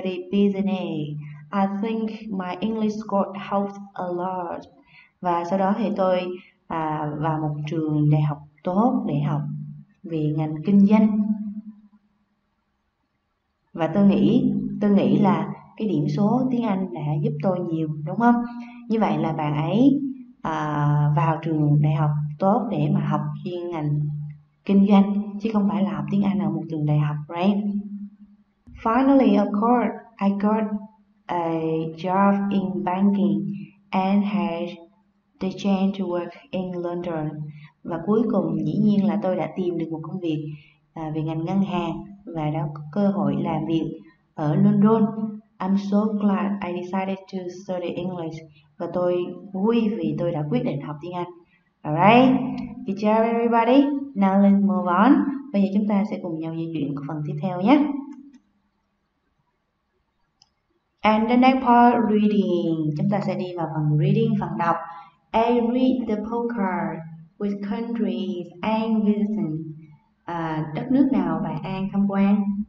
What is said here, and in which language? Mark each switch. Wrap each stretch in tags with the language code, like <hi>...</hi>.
<en>Business. I think my English score helped a lot.</en> <vi>Và sau đó thì tôi vào một trường đại học tốt để học về ngành kinh doanh. Và tôi nghĩ là cái điểm số tiếng Anh đã giúp tôi nhiều, đúng không? Như vậy là bạn ấy vào trường đại học tốt để mà học chuyên ngành kinh doanh chứ không phải là học tiếng Anh ở một trường đại học, right?</vi> <en>Finally, of course, I got a job in banking and had the chance to work in London.</en> <vi>Và cuối cùng, dĩ nhiên là tôi đã tìm được một công việc về ngành ngân hàng và đã có cơ hội làm việc ở London.</vi> <en>I'm so glad I decided to study English.</en> <vi>Và tôi vui vì tôi đã quyết định học tiếng Anh.</vi> <en>Alright, good job everybody. Now let's move on.</en> <vi>Bây giờ chúng ta sẽ cùng nhau di chuyển phần tiếp theo nhé.</vi> <en>And the next part, reading.</en> <vi>Chúng ta sẽ đi vào phần reading, phần đọc.</vi> <en>I read the postcard with countries and visiting.</en> <vi>Đất nước nào bạn An tham quan?</vi>